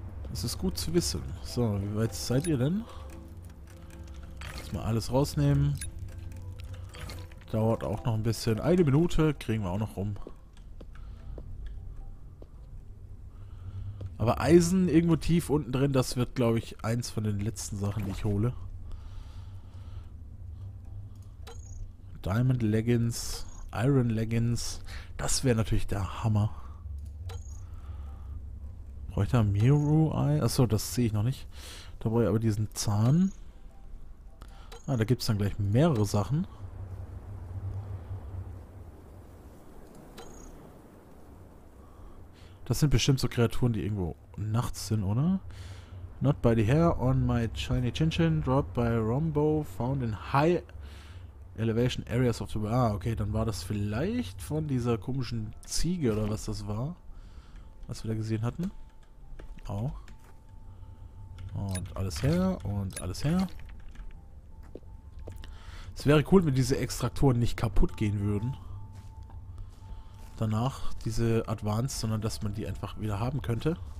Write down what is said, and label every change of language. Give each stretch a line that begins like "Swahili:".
German: Das ist gut zu wissen. So, wie weit seid ihr denn? Jetzt mal alles rausnehmen. Dauert auch noch ein bisschen. Eine Minute kriegen wir auch noch rum. Aber Eisen irgendwo tief unten drin, das wird, glaube ich, eins von den letzten Sachen, die ich hole.
English: Diamond Leggings, Iron Leggings.
German: Das wäre natürlich der Hammer. Brauche ich da Miru Eye? Achso, das sehe ich noch nicht. Da brauche ich aber diesen Zahn. Ah, da gibt es dann gleich mehrere Sachen. Das sind bestimmt so Kreaturen, die irgendwo nachts sind, oder?
English: Not by the hair on my shiny chin chin, dropped by Rombo, found in high elevation areas of the...
German: Ah, okay, dann war das vielleicht von dieser komischen Ziege oder was das war, was wir da gesehen hatten. Auch. Und alles her und alles her. Es wäre cool, wenn diese Extraktoren nicht kaputt gehen würden. Danach diese Advanced, sondern dass man die einfach wieder haben könnte.